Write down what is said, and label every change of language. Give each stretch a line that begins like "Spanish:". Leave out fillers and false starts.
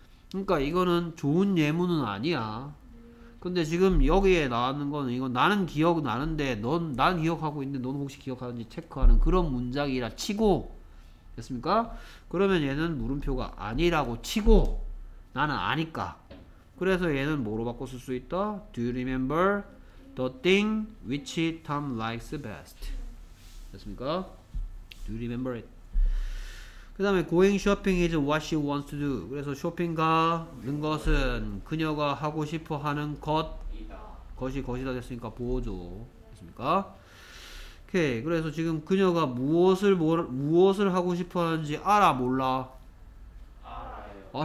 Korean: 그러니까 이거는 좋은 예문은 아니야. 근데 지금 여기에 나왔는 거는 이거 나는 기억 나는데 난 기억하고 있는데 넌 혹시 기억하는지 체크하는 그런 문장이라 치고 됐습니까? 그러면 얘는 물음표가 아니라고 치고 나는 아니까 그래서 얘는 뭐로 바꿔 쓸 수 있다?
English: Do you remember the thing which Tom likes best?
Korean: 됐습니까?
English: Do you remember it?
Korean: 그 다음에
English: Going shopping is what she wants to do.
Korean: 그래서 쇼핑 가는 것은 그녀가 하고 싶어 하는 것이다 됐으니까 보호죠. 됐습니까? 오케이. 그래서 지금 그녀가 무엇을 하고 싶어 하는지 알아? 몰라? 알아요.